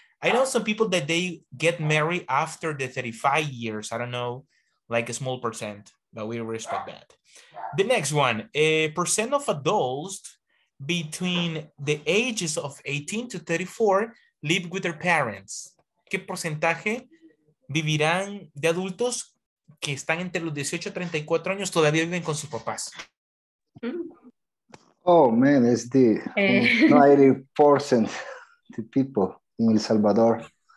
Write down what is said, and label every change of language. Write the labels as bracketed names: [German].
[English] I know some people that they get married after the 35 years. I don't know, like a small percent, but we respect that. The next one, a percent of adults between the ages of 18 to 34 live with their parents. [Spanish] ¿Qué porcentaje vivirán de adultos que están entre los 18 y 34 años todavía viven con sus papás? [English] Oh, man, it's the 90% the people in El Salvador.